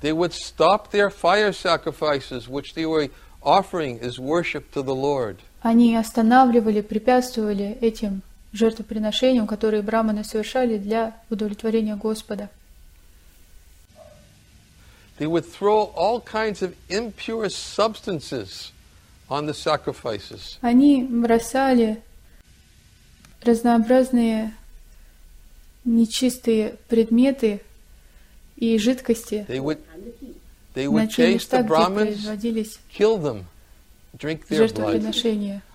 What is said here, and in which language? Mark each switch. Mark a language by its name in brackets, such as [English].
[English] They would stop their fire sacrifices, which they were offering as worship to the Lord. [Russian] Они останавливали, препятствовали этим жертвоприношениям, которые браманы совершали для удовлетворения Господа. [English] They would throw all kinds of impure substances on the sacrifices. [Russian] Они бросали разнообразные нечистые предметы и жидкости на те места, где производились жертвоприношения.